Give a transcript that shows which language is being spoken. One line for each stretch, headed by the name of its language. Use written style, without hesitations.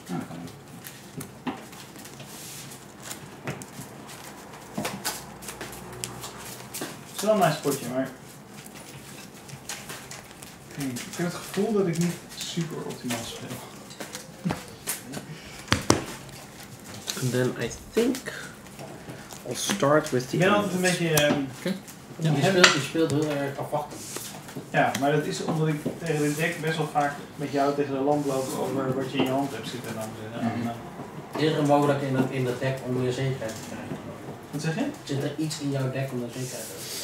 Dutch: Ja, dat kan ook. Het is wel een nice potje, maar... Okay, ik heb het gevoel dat ik niet super optimaal speel.
English: And then I think I'll start with the.
Dutch: Ik ben altijd een beetje. Okay. Ja, je speelt heel erg afwachtend. Ja, maar dat is omdat ik tegen de deck best wel vaak met jou tegen de lamp loop over wat je in je hand hebt zitten. Dan, Is er mogelijk in dat deck om meer zekerheid te krijgen? Wat zeg je? Zit er iets in jouw deck om meer zekerheid te krijgen?